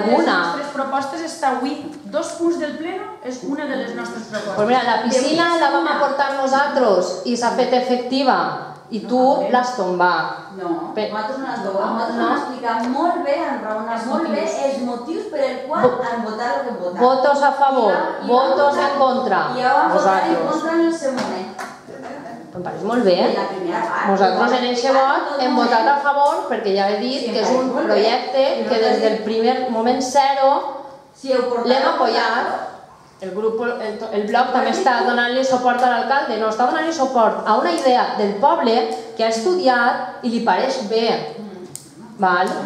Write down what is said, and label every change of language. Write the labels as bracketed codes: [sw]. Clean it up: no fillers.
[ca] Una de les nostres propostes està avui. Dos punts del pleno és una de les nostres propostes. Pues mira, la piscina la vam aportar nosaltres i s'ha fet efectiva. I tu l'has tombat. No, nosaltres no l'has explicat molt bé, han raonat molt bé els motius per el qual han votat el que han votat. [es] Votos a favor, votos en contra. [ca] I ja vam votar en contra en el seu moment. Em pareix molt bé. Nosaltres en aquest vot hem votat a favor perquè ja he dit que és un projecte que des del primer moment zero l'hem apoyat. El grup, el bloc també està donant-li suport a l'alcalde, no, està donant-li suport a una idea del poble que ha estudiat i li pareix bé. Val?